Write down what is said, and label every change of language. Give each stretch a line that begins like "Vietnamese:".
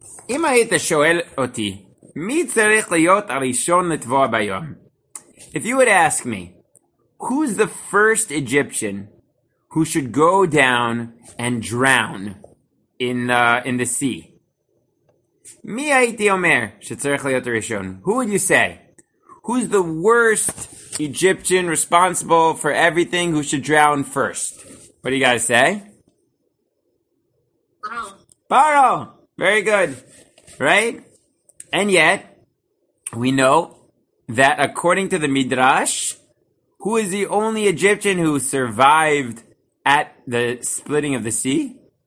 Hebrew: אם היית שואל אותי, מי צריך להיות הראשון לטבוע בים?
English: If you would ask me, who's the first Egyptian who should go down and drown in the sea?
Hebrew: מי הייתי אומר שצריך להיות הראשון?
English: Who would you say? Who's the worst Egyptian responsible for everything who should drown first? What do you guys say? Paro. Paro. Very good. Right? And yet, we know that according to the Midrash, who is the only Egyptian who survived at the splitting of the sea?